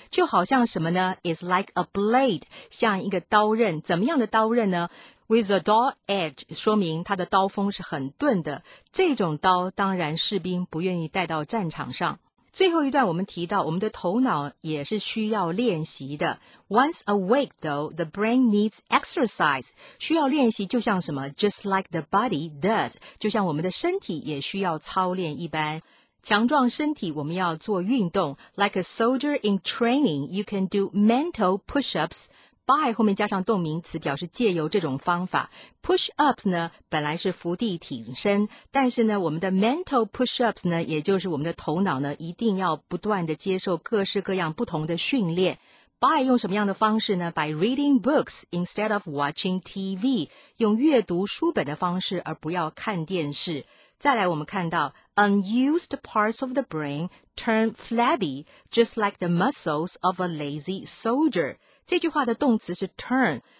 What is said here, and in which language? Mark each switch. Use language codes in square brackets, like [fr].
[zh] 就好像什么呢 ? [en] is like a blade, [zh] 像一个刀刃。怎么样的刀刃呢 ? [en] with a dull edge, [zh] 说明它的刀锋是很钝的。这种刀当然士兵不愿意带到战场上。最后一段我们提到我们的头脑也是需要练习的。 [en] Once awake though, the brain needs exercise. [zh] 需要练习就像什么 ? [en] just like the body does. [zh] 就像我们的身体也需要操练一般。强壮身体我们要做运动。 [en] Like a soldier in training, you can do mental push-ups. [zh] By 后面加上动名词表示借由这种方法 push ups 呢本来是伏地挺身但是呢我们的 mental push ups 呢也就是我们的头脑呢一定要不断的接受各式各样不同的训练 By 用什么样的方式呢 [en] By reading books instead of watching TV [zh] 用阅读书本的方式而不要看电视再来我们看到 [en] unused parts of the brain turn flabby just like the muscles of a lazy soldier [zh] 这句话的动词是 turn,